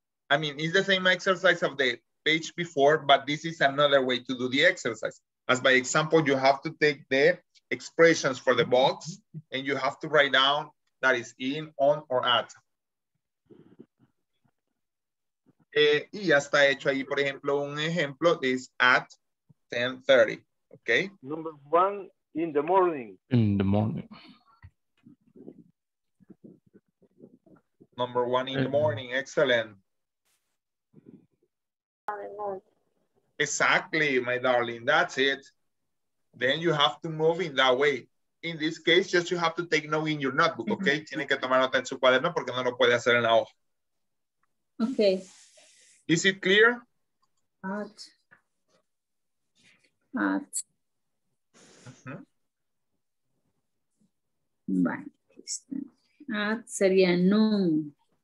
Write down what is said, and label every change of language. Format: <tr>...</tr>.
<en>I mean, it's the same exercise of the page before, but this is another way to do the exercise. As by example, you have to take the expressions for the box and you have to write down that is in, on, or at.</en> <es>Y ya está hecho ahí, por ejemplo, un ejemplo</es> <en>is at 10:30. Okay. Number one. In the morning. In the morning. Number one in the morning. Excellent. Exactly, my darling. That's it. Then you have to move in that way. In this case, just you have to take note in your notebook, okay?</en> <es>Tiene que tomar nota en su cuaderno porque no lo puede hacer en la hoja.</es> <en>Okay. Is it clear? At. Right.</en> <es>Ah, sería noon.</es>